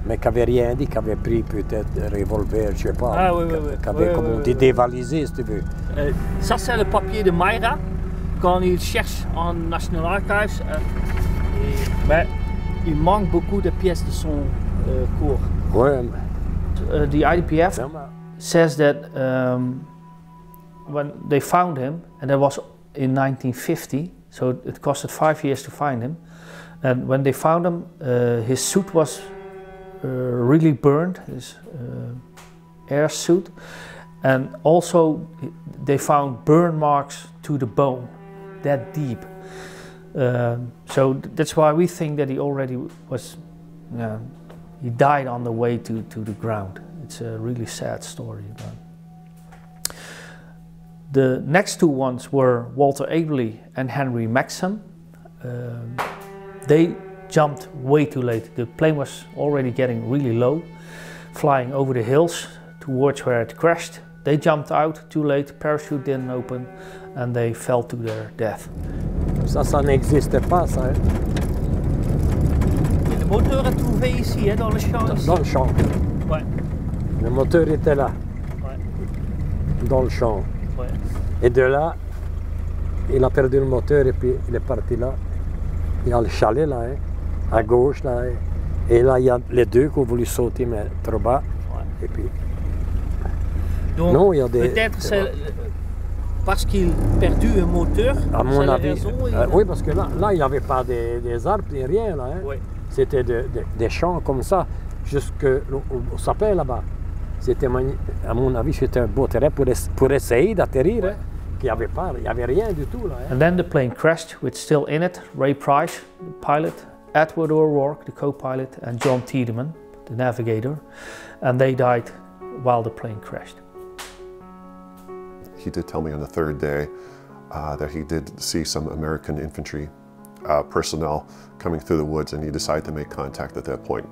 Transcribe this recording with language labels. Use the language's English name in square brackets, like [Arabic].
[French] Mais qui n'avait rien dit, qui avait pris peut-être un revolver, je ne sais pas. Ah, oui. Qui avait dévalisé, si tu veux. Ça, c'est le papier de Mayra, quand il cherche en National Archives. Mais il manque beaucoup de pièces de son cours. Oui. [English] The IDPF says that when they found him, and that was in 1950, so it costed 5 years to find him, and when they found him, his suit was really burned, his air suit, and also they found burn marks to the bone, that deep. So that's why we think that he already was, he died on the way to the ground. It's a really sad story. The next two ones were Walter Abley and Henry Maxim. They jumped way too late. The plane was already getting really low, flying over the hills towards where it crashed. They jumped out too late, parachute didn't open, and they fell to their death. [French] Ça, ça n'existait pas, ça. Hein? Le moteur est trouvé ici, hein, dans le champ. Dans le champ. Ouais. Le moteur était là. Ouais. Dans le champ. Ouais. Et de là, il a perdu le moteur et puis il est parti là. Il y a le chalet là, hein, à gauche là. Hein. Et là, il y a les deux qui ont voulu sauter, mais trop bas. Ouais. Et puis. Donc, non, il y a des. Peut-être c'est parce qu'il a perdu un moteur. À mon avis. Oui, parce que là il n'y avait pas des arbres, ni rien là. Hein. Ouais. C'était des champs comme ça, jusque au sapin là-bas. C'était, à mon avis, c'était un beau terrain pour essayer d'atterrir. Ouais. Hein. [English] And then the plane crashed with still in it Ray Price, the pilot, Edward O'Rourke, the co-pilot, and John Tiedemann, the navigator, and they died while the plane crashed. He did tell me on the third day that he did see some American infantry personnel coming through the woods, and he decided to make contact at that point.